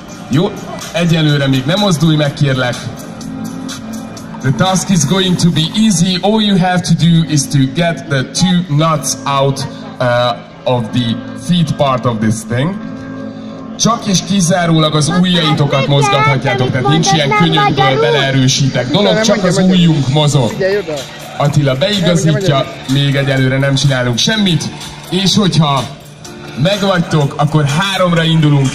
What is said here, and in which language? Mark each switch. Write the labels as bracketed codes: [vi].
[hu] Jó, egyelőre még nem mozdulj meg, kérlek. [en] The task is going to be easy. All you have to do is to get the two nuts out of the feet part of this thing. [hu] Csak és kizárólag az ujjaitokat mozgathatjátok, tehát nincs ilyen könyökből beleerősítek dolog, csak az ujjunk mozog. Attila beigazítja, még egyelőre nem csinálunk semmit, és hogyha megvagytok, akkor háromra indulunk.